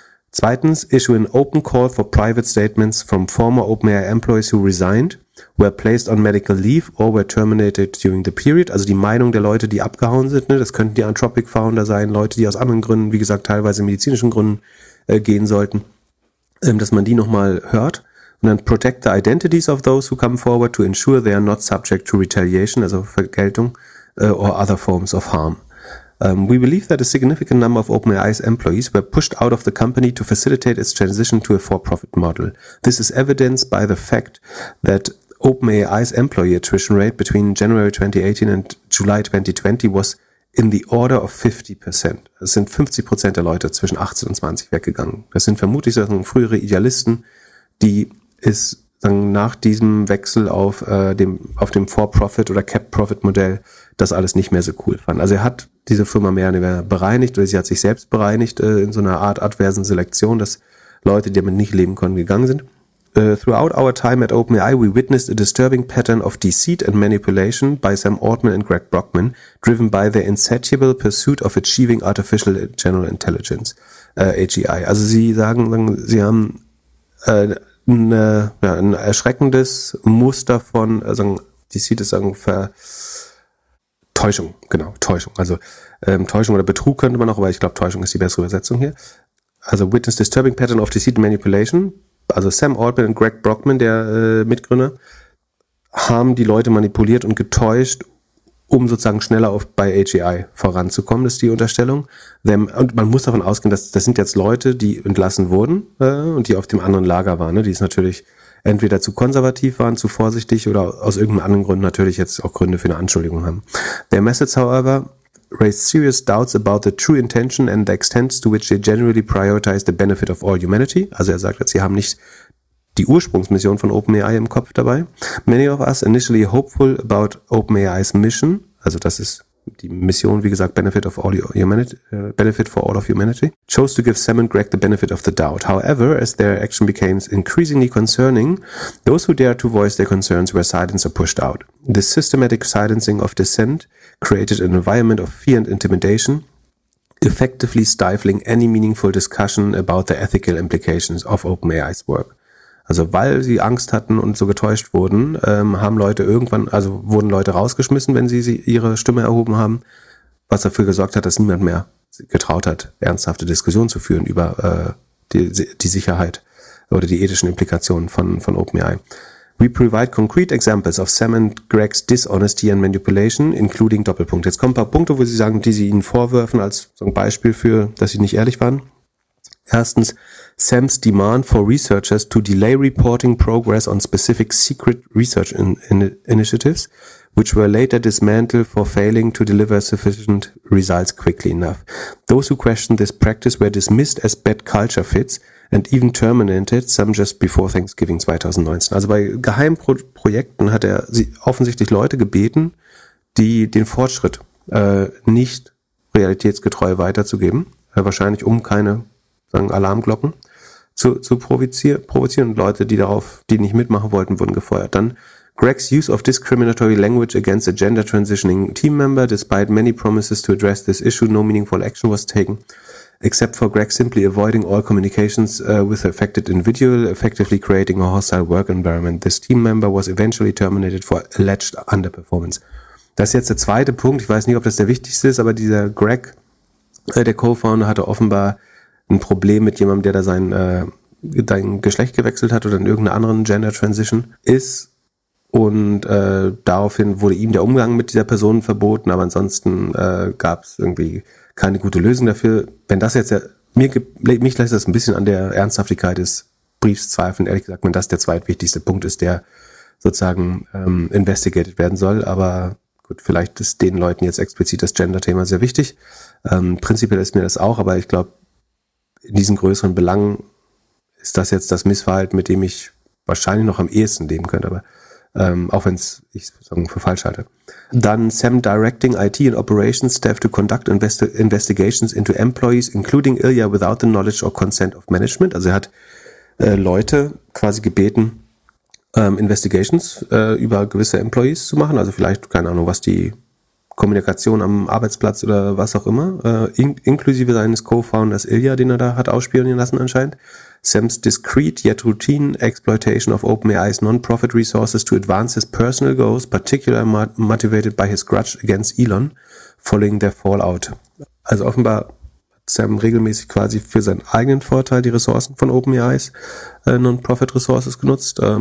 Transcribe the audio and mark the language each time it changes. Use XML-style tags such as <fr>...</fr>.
<en>Zweitens, issue an open call for private statements from former OpenAI employees who resigned, were placed on medical leave or were terminated during the period.</en> <de>Also die Meinung der Leute, die abgehauen sind. Ne? Das könnten die Anthropic Founder sein, Leute, die aus anderen Gründen, wie gesagt, teilweise medizinischen Gründen gehen sollten, dass man die nochmal hört. Und dann</de> <en>protect the identities of those who come forward to ensure they are not subject to retaliation,</en> <de>also Vergeltung,</de> <en>or other forms of harm. We believe that a significant number of OpenAI's employees were pushed out of the company to facilitate its transition to a for-profit model. This is evidenced by the fact that OpenAI's employee attrition rate between January 2018 and July 2020 was in the order of 50%.</en> <de>Es sind 50% der Leute zwischen 18 und 20 weggegangen. Das sind vermutlich frühere Idealisten, die es dann nach diesem Wechsel auf dem For-Profit- oder Cap-Profit-Modell das alles nicht mehr so cool fanden. Also er hat diese Firma mehr oder weniger bereinigt, oder sie hat sich selbst bereinigt in so einer Art adversen Selektion, dass Leute, die damit nicht leben konnten, gegangen sind.</de> <en>Throughout our time at OpenAI, we witnessed a disturbing pattern of deceit and manipulation by Sam Altman and Greg Brockman, driven by their insatiable pursuit of achieving artificial general intelligence, AGI.</en> <de>Also sie sagen, sie haben ein erschreckendes Muster von, also deceit ist Täuschung, genau, Täuschung. Also Täuschung oder Betrug könnte man auch, aber ich glaube Täuschung ist die bessere Übersetzung hier.</de> <en>Also witness disturbing pattern of deceit and manipulation.</en> <de>Also Sam Altman und Greg Brockman, der Mitgründer, haben die Leute manipuliert und getäuscht, um sozusagen schneller bei AGI voranzukommen, das ist die Unterstellung. Und man muss davon ausgehen, dass das sind jetzt Leute, die entlassen wurden und die auf dem anderen Lager waren. Ne? Die es natürlich entweder zu konservativ waren, zu vorsichtig oder aus irgendeinem anderen Grund natürlich jetzt auch Gründe für eine Anschuldigung haben.</de> <en>Their message, however, raised serious doubts about the true intention and the extent to which they generally prioritize the benefit of all humanity.</en> <de>Also er sagt, sie haben nicht die Ursprungsmission von OpenAI im Kopf dabei.</de> <en>Many of us initially hopeful about OpenAI's mission.</en> <de>Also das ist die Mission, wie gesagt,</de> <en>benefit of all humanity, benefit for all of humanity. Chose to give Sam and Greg the benefit of the doubt. However, as their action became increasingly concerning, those who dared to voice their concerns were silenced or pushed out. The systematic silencing of dissent created an environment of fear and intimidation, effectively stifling any meaningful discussion about the ethical implications of OpenAI's work.</en> <de>Also weil sie Angst hatten und so getäuscht wurden, wurden Leute rausgeschmissen, wenn sie ihre Stimme erhoben haben, was dafür gesorgt hat, dass niemand mehr getraut hat, ernsthafte Diskussionen zu führen über die Sicherheit oder die ethischen Implikationen von OpenAI.</de> <en>We provide concrete examples of Sam and Greg's dishonesty and manipulation, including Doppelpunkt.</en> <de>Jetzt kommen ein paar Punkte, wo sie sagen, die sie ihnen vorwerfen als so ein Beispiel für, dass sie nicht ehrlich waren.</de> <en>Erstens, Sam's demand for researchers to delay reporting progress on specific secret research initiatives, which were later dismantled for failing to deliver sufficient results quickly enough. Those who questioned this practice were dismissed as bad culture fits and even terminated some just before Thanksgiving 2019.</en> <de>Also bei Geheimprojekten hat er offensichtlich Leute gebeten, die den Fortschritt nicht realitätsgetreu weiterzugeben, wahrscheinlich um keine Alarmglocken zu provozieren. Leute, die nicht mitmachen wollten, wurden gefeuert.</de> <en>Dann Greg's use of discriminatory language against a gender transitioning team member, despite many promises to address this issue, no meaningful action was taken, except for Greg simply avoiding all communications with the affected individual, effectively creating a hostile work environment. This team member was eventually terminated for alleged underperformance.</en> <de>Das ist jetzt der zweite Punkt. Ich weiß nicht, ob das der wichtigste ist, aber dieser Greg, der Co-Founder, hatte offenbar ein Problem mit jemandem, der da sein Geschlecht gewechselt hat oder in irgendeiner anderen Gender Transition ist. Und daraufhin wurde ihm der Umgang mit dieser Person verboten, aber ansonsten gab es irgendwie keine gute Lösung dafür. Wenn das jetzt mich lässt das ein bisschen an der Ernsthaftigkeit des Briefs zweifeln, ehrlich gesagt, wenn das der zweitwichtigste Punkt ist, der sozusagen investigated werden soll. Aber gut, vielleicht ist den Leuten jetzt explizit das Gender-Thema sehr wichtig. Prinzipiell ist mir das auch, aber ich glaube, in diesen größeren Belangen ist das jetzt das Missverhalten, mit dem ich wahrscheinlich noch am ehesten leben könnte, aber auch wenn ich es für falsch halte.</de> <en>Dann Sam directing IT and operations staff to conduct investigations into employees, including Ilya, without the knowledge or consent of management.</en> <de>Also er hat Leute quasi gebeten, Investigations über gewisse Employees zu machen. Also vielleicht, keine Ahnung, was die Kommunikation am Arbeitsplatz oder was auch immer, inklusive seines Co-Founders Ilya, den er da hat ausspielen lassen anscheinend.</de> <en>Sam's discreet yet routine exploitation of OpenAI's non-profit resources to advance his personal goals, particularly motivated by his grudge against Elon, following their fallout.</en> <de>Also offenbar Sam regelmäßig quasi für seinen eigenen Vorteil die Ressourcen von OpenAI's</de> <en>non-profit resources</en> <de>genutzt.</de>